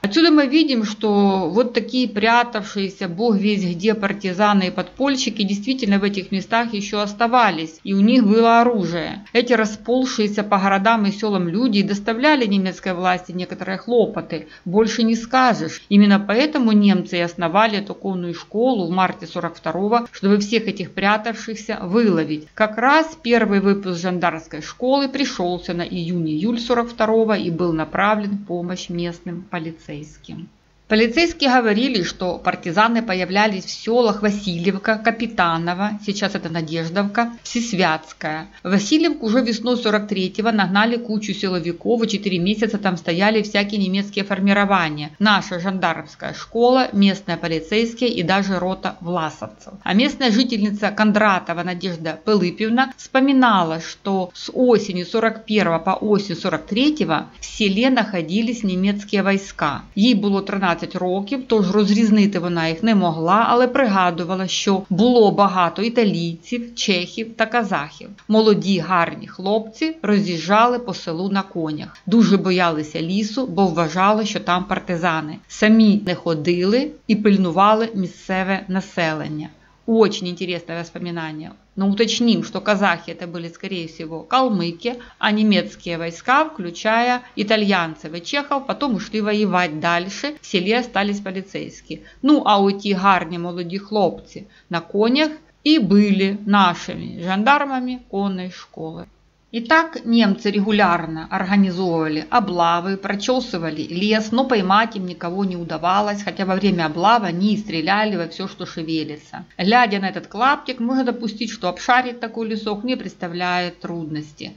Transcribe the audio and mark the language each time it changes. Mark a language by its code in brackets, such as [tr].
[uk] Отсюда ми бачимо, що от такі [ru] прятавшися, Бог весь где [uk] партизани і подпольщики, дійсно в цих містах ще оставались, і у них було оружие. Ці розповзлися по городам і селам люди доставляли німецькій власті [ru] некоторые хлопоты. Больше не скажешь. Именно поэтому немцы и основали эту конную школу в марте 42-го, чтобы всех этих прятавшихся выловить. Как раз первый выпуск жандармской школы пришелся на июнь-июль 42-го и был направлен в помощь местным полицейским. Полицейские говорили, что партизаны появлялись в селах Васильевка, Капитаново, сейчас это Надеждовка, Всесвятская. Васильевку уже весной 43-го нагнали кучу силовиков, и 4 месяца там стояли всякие немецкие формирования. Наша жандармская школа, местные полицейские и даже рота власовцев. А местная жительница Кондратова Надежда Пилипівна вспоминала, что с осени 41-го по осень 43-го в селе находились немецкие войска. Ей было [uk] 13 років, тож розрізнити вона їх не могла, але пригадувала, що було багато італійців, чехів та казахів. Молоді гарні хлопці роз'їжджали по селу на конях. Дуже боялися лісу, бо вважали, що там партизани. Самі не ходили і пильнували місцеве населення. [ru] Очень интересное воспоминание. Но уточним, что казахи это были, скорее всего, калмыки, а немецкие войска, включая итальянцев и чехов, потом ушли воевать дальше, в селе остались полицейские. [uk] Ну, а у ті гарні молоді хлопці на конях і були нашими жандармами конної школи. [ru] Итак, немцы регулярно организовывали облавы, прочесывали лес, но поймать им никого не удавалось, хотя во время облавы они и стреляли во все, что шевелится. Глядя на этот клаптик, можно допустить, что обшарить такой лесок не представляет трудности.